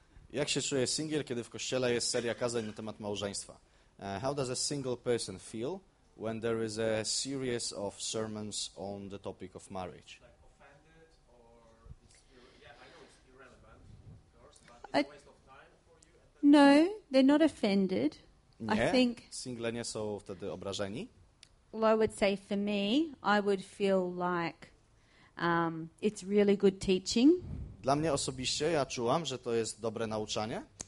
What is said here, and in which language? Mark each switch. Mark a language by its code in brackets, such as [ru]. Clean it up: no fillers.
[pl] Jak się czuje single, kiedy w kościele jest seria kazań na temat małżeństwa? [en] How does a single person feel when there is a series of sermons on the topic of marriage? Like offended or yeah, I know it's irrelevant, of course, but it's a waste of time for you. No, they're not offended. [pl] Nie, single nie są wtedy obrażeni. [en] Well, I would say for me, I would feel like it's really good teaching. [pl] Dla mnie osobiście ja czułam, że to jest dobre nauczanie.